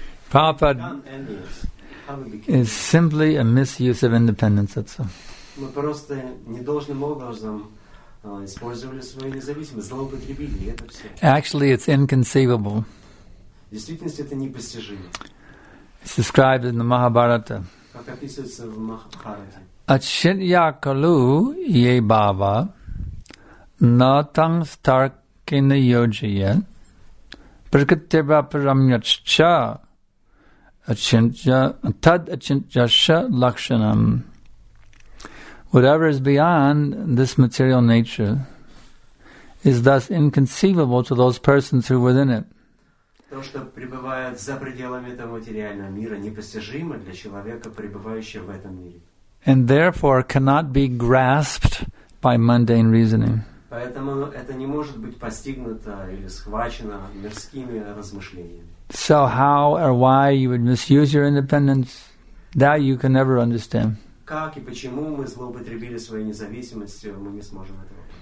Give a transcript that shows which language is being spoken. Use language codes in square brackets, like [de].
[en] Prabhupada is simply a misuse of independence, that's all. [ru] Мы просто недолжным образом использовали свою независимость, злоупотребили, это все. [en] Actually, it's inconceivable. [ru] Действительность это непостижимо. [en] It's described in the Mahabharata. [ru] Как описывается в Махабхарате. [sa] Ачинья калу е бава на танг старкина йоджия пркаттеба прамьячча Lakshanam. [en] Whatever is beyond this material nature is thus inconceivable to those persons who are within it. [ru] То, что пребывает за пределами этого материального мира, непостижимо для человека, пребывающего в этом мире. [en] And therefore cannot be grasped by mundane reasoning. [ru] Поэтому это не может быть постигнуто или схвачено мирскими размышлениями. [en] So how or why you would misuse your independence, that you can never understand. [ru] Как и почему мы злоупотребили своей независимостью, мы не сможем этого.